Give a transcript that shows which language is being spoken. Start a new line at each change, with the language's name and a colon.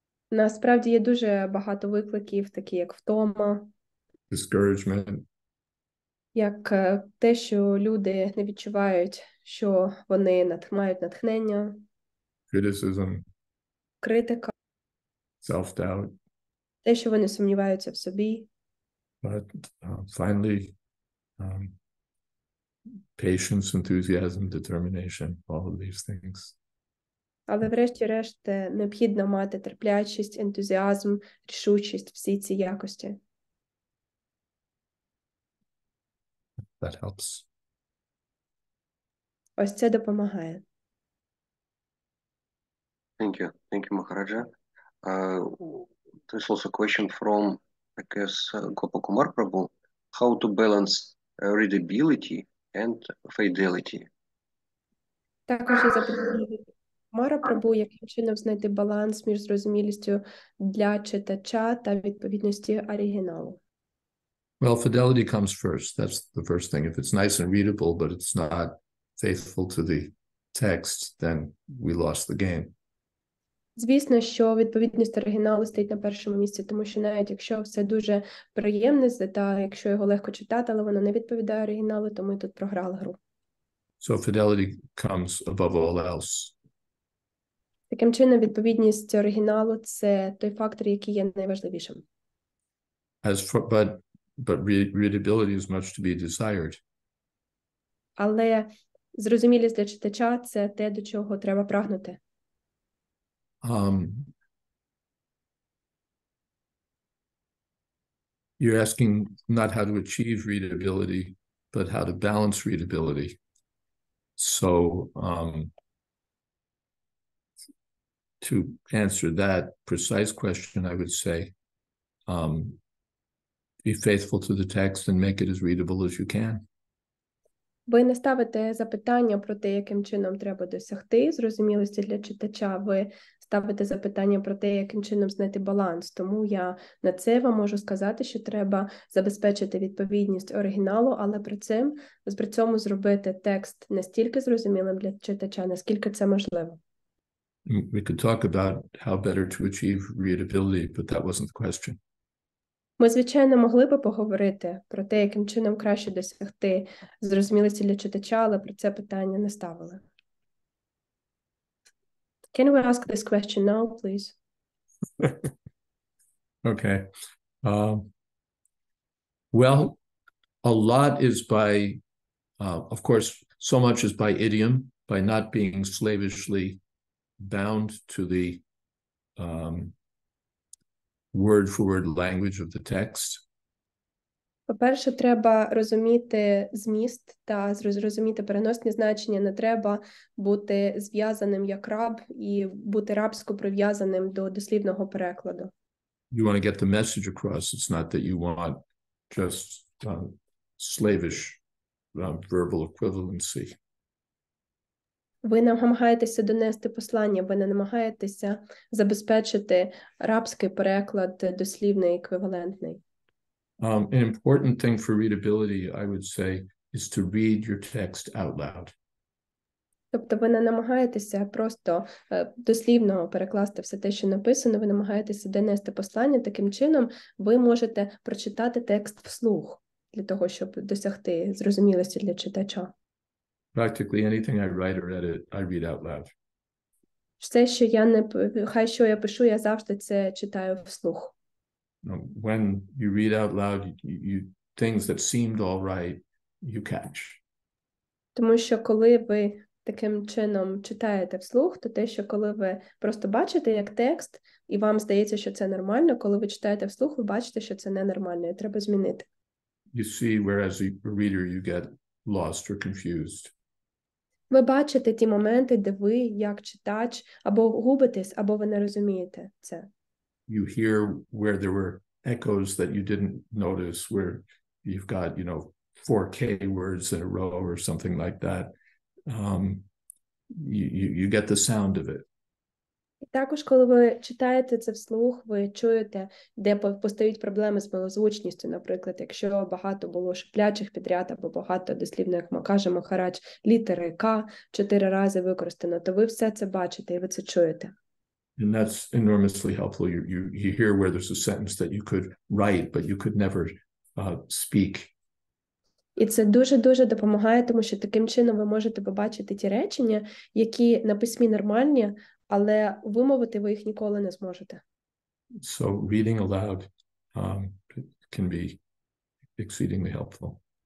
Ukrainian: Насправді є дуже багато викликів, такі як втома.
English: Discouragement.
Ukrainian: Як те, що люди не відчувають, що вони мають натхнення.
English: Criticism.
Ukrainian: Критика.
English: Self-doubt.
Ukrainian: Те, що вони сумніваються в собі.
English: But finally, patience, enthusiasm, determination, all of these things.
Ukrainian: Але врешті-решт необхідно мати терплячість, ентузіазм, рішучість, всі ці якості.
English: That helps.
Ukrainian: Ось це допомагає.
English: Thank you. Thank you, Maharaja. There's also a question from, I guess, Gopakumar Prabhu. How to balance readability and fidelity?
Ukrainian: Також я запитую від Мара Прабу, яким чином знайти баланс між зрозумілістю для читача та відповідності оригіналу.
English: Well, fidelity comes first. That's the first thing. If it's nice and readable, but it's not faithful to the text, then we lost the game.
Ukrainian: Звісно, що відповідність оригіналу стоїть на першому місці, тому що навіть якщо все дуже приємне, та якщо його легко читати, але воно не відповідає оригіналу, то ми тут програли гру.
English: So fidelity comes above all else.
Ukrainian: Таким чином, відповідність оригіналу – це той фактор, який є найважливішим.
English: But readability is much to be desired.
Ukrainian: Але зрозумілість для читача – це те, до чого треба прагнути.
English: You're asking not how to achieve readability, but how to balance readability. So, to answer that precise question, I would say, be faithful to the text and make it as readable as you can.
Ukrainian: Ви не ставите запитання про те, яким чином треба досягти зрозумілості для читача. Ви ставите запитання про те, яким чином знайти баланс. Тому я на це вам можу сказати, що треба забезпечити відповідність оригіналу, але при цьому зробити текст настільки зрозумілим для читача, наскільки це можливо.
English: We could talk about how better to achieve readability, but that wasn't the question.
Ukrainian: Ми, звичайно, могли би поговорити про те, яким чином краще досягти зрозумілості для читача, але про це питання не ставили.
English: Can we ask this question now, please? Okay. Well, a lot is by, of course, so much is by idiom, by not being slavishly bound to the word-for-word language of the text.
Ukrainian: По-перше, треба розуміти зміст та зрозуміти переносні значення. Не треба бути зв'язаним як раб і бути рабсько прив'язаним до дослівного перекладу.
English: You want to get the message across. It's not that you want just slavish verbal equivalency.
Ukrainian: Ви намагаєтеся донести послання, ви не намагаєтеся забезпечити рабський переклад дослівний, еквівалентний.
English: An important thing for readability, I would say, is to read your text out loud.
Ukrainian: Тобто ви не намагаєтеся просто дослівно перекласти все те, що написано, ви намагаєтеся донести послання. Таким чином, ви можете прочитати текст вслух для того, щоб досягти зрозумілості для читача.
English: Practically anything I write or edit, I read out loud.
Ukrainian: Все, що я не хай що я пишу, я завжди це читаю вслух.
English: When you read out loud, you things that seemed all right, you catch.
Ukrainian: Тому що коли ви таким чином читаєте вслух, то те, що коли ви просто бачите як текст, і вам здається, що це нормально, коли ви читаєте вслух, ви бачите, що це ненормально, і треба змінити.
English: You see, whereas a reader, you get lost or confused.
Ukrainian: Ви бачите ті моменти, де ви, як читач, або губитесь, або ви не розумієте це.
English: You hear where there were echoes that you didn't notice, where you've got, you know, 4K words in a row or something like that, you get the sound of it.
Ukrainian: Також, коли ви читаєте це вслух, ви чуєте, де постають проблеми з малозвучністю, наприклад, якщо багато було шиплячих підряд або багато дослівно, як каже Махарадж, літери К чотири рази використано, то ви все це бачите і ви це чуєте.
English: And that's enormously helpful. You hear where there's a sentence that you could write, but you could never speak.
Ukrainian: І це дуже-дуже допомагає, тому що таким чином ви можете побачити ті речення, які на письмі нормальні, але вимовити ви їх ніколи не зможете.
English: So reading aloud can be exceedingly helpful.